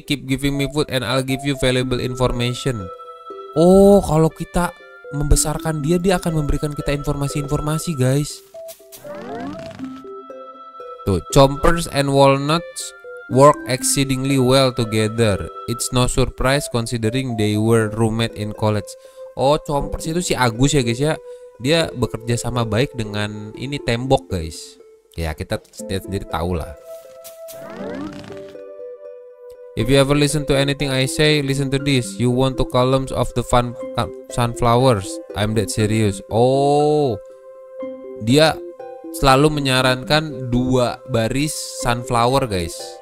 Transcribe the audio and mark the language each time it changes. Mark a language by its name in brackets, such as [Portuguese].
[English] Keep giving me food and I'll give you valuable information. [Indonesian] Oh, kalau kita membesarkan dia, dia akan memberikan kita informasi-informasi, guys. [English] Tuh, chompers and walnuts work exceedingly well together. It's no surprise considering they were roommate in college. [Indonesian] Oh, chompers itu si Agus ya, guys ya. Dia bekerja sama baik dengan ini tembok, guys. Ya, kita sendiri tahu lah. [English] If you ever listen to anything I say, listen to this. You want two columns of the sunflowers? I'm that serious. [Indonesian] Oh, dia selalu menyarankan dua baris sunflower, guys.